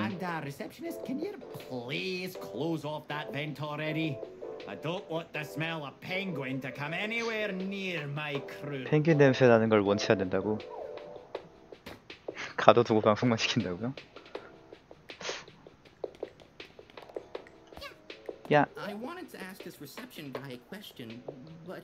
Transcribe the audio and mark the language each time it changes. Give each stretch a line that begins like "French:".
English: And our receptionist, can you please close off that vent already? I don't want the smell of penguin to come anywhere near my crew.
Korean: 펭귄 냄새 나는 걸 원치 않는다고? 가둬두고 방송만 시킨다고요? 야.
English: I wanted to ask this reception guy a question, but